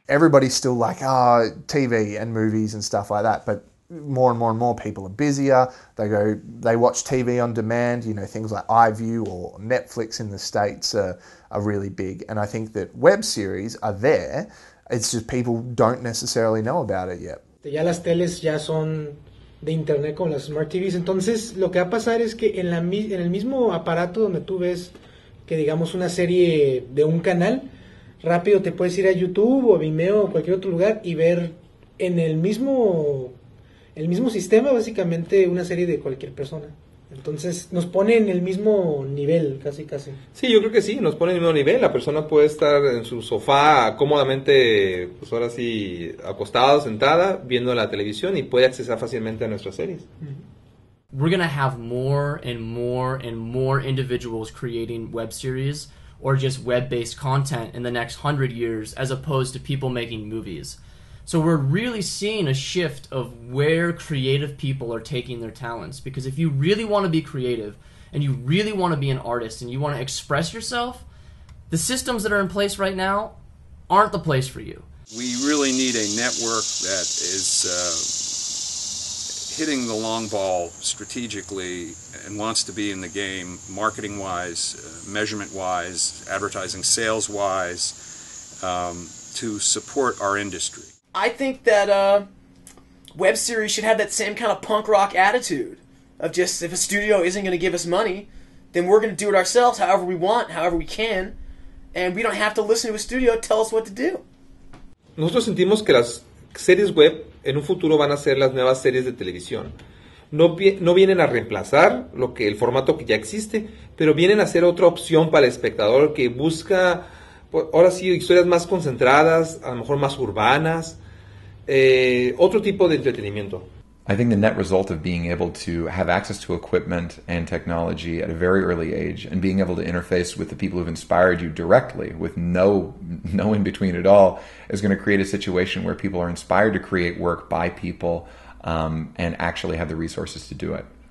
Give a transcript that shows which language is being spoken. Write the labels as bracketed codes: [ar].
[en] Everybody's still like, TV and movies and stuff like that, but more and more and more people are busier. They watch TV on demand. You know, things like iView or Netflix in the States are really big. And I think that web series are there. It's just people don't necessarily know about it yet. [es] Ya las teles ya son de internet con las smart TVs. Entonces, lo que va a pasar es que en el mismo aparato donde tú ves que digamos una serie de un canal, rápido te puedes ir a YouTube o a Vimeo o cualquier otro lugar y ver en el mismo sistema, básicamente, una serie de cualquier persona. Entonces, nos pone en el mismo nivel, casi, casi. Sí, yo creo que sí, nos pone en el mismo nivel. La persona puede estar en su sofá cómodamente, pues ahora sí, acostada, sentada, viendo la televisión y puede accesar fácilmente a nuestras series. Mm-hmm. [en] We're going to have more and more and more individuals creating web series or just web-based content in the next 100 years as opposed to people making movies. So we're really seeing a shift of where creative people are taking their talents. Because if you really want to be creative and you really want to be an artist and you want to express yourself, the systems that are in place right now aren't the place for you. We really need a network that is hitting the long ball strategically and wants to be in the game marketing-wise, measurement-wise, advertising sales-wise, to support our industry. I think that web series should have that same kind of punk rock attitude of just, if a studio isn't going to give us money, then we're going to do it ourselves however we want, however we can, and we don't have to listen to a studio tell us what to do. [es] Nosotros sentimos que las series web en un futuro van a ser las nuevas series de televisión. No vienen a reemplazar lo que el formato que ya existe, pero vienen a ser otra opción para el espectador que busca, ahora sí, historias más concentradas, a lo mejor más urbanas, otro tipo de entretenimiento. [en] I think the net result of being able to have access to equipment and technology at a very early age and being able to interface with the people who've inspired you directly with no in-between at all is going to create a situation where people are inspired to create work by people and actually have the resources to do it.